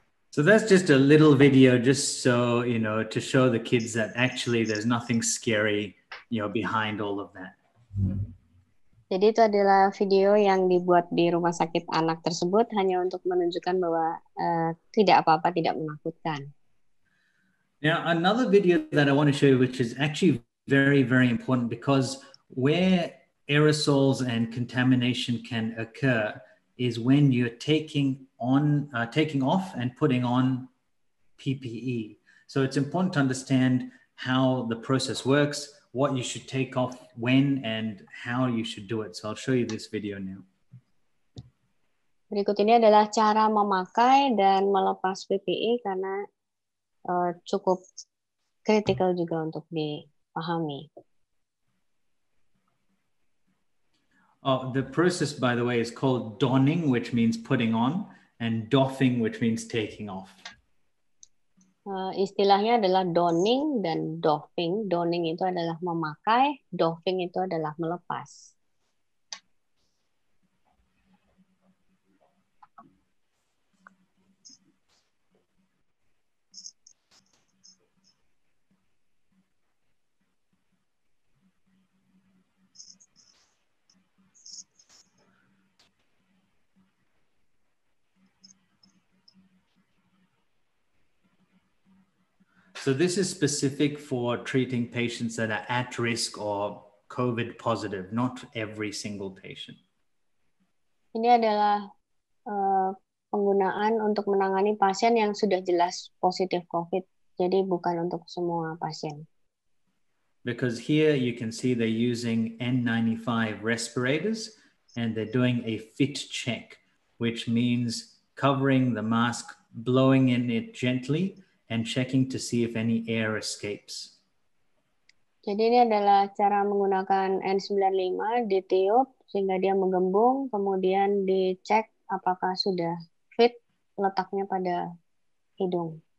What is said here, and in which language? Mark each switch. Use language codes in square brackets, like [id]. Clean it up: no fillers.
[en] So that's just a little video, just so you know, to show the kids that actually there's nothing scary, you know, behind all of that. [id] Jadi itu adalah video yang dibuat di rumah sakit anak tersebut hanya untuk menunjukkan bahwa tidak apa-apa, tidak menakutkan. [en] Now another video that I want to show you, which is actually very, very important, because where aerosols and contamination can occur is when you're taking off and putting on PPE. So it's important to understand how the process works, what you should take off when, and how you should do it. So I'll show you this video now. [id] Berikut ini adalah cara memakai dan melepas PPE karena cukup critical juga untuk dipahami. [en] Oh, the process, by the way, is called donning, which means putting on, and doffing, which means taking off. [id] Istilahnya adalah donning dan doffing. Donning itu adalah memakai, doffing itu adalah melepas. [en] So this is specific for treating patients that are at risk or COVID positive, not every single patient. [id] Ini adalah penggunaan untuk menangani pasien yang sudah jelas positif COVID. Jadi bukan untuk semua pasien. [en] Because here you can see they're using N95 respirators and they're doing a fit check, which means covering the mask, blowing in it gently, and checking to see if any air escapes. [id] Jadi ini adalah cara menggunakan N95, ditiup sehingga dia menggembung, kemudian dicek apakah sudah fit letaknya pada hidung.